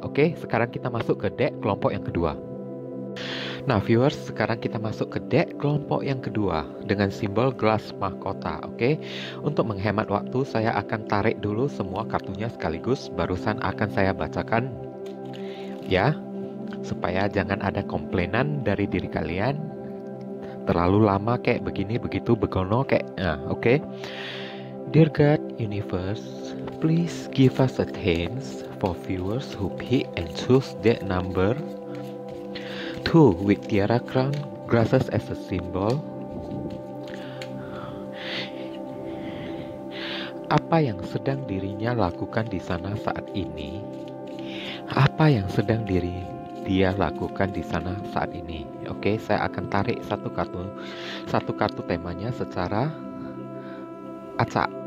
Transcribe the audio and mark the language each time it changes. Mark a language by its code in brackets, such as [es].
[id] Oke, sekarang kita masuk ke deck kelompok yang kedua. Nah, viewers, sekarang kita masuk ke deck kelompok yang kedua dengan simbol gelas mahkota, oke? Untuk menghemat waktu, saya akan tarik dulu semua kartunya sekaligus. Barusan akan saya bacakan, ya, supaya jangan ada komplainan dari diri kalian. Terlalu lama kayak begini, begitu, begono kayak, nah, oke? [en] Dear God, Universe, please give us a chance for viewers who pick and choose that number. Two with tiara crown, glasses as a symbol. [id] Apa yang sedang dirinya lakukan di sana saat ini? Apa yang sedang dia lakukan di sana saat ini? Oke, saya akan tarik satu kartu temanya secara acak.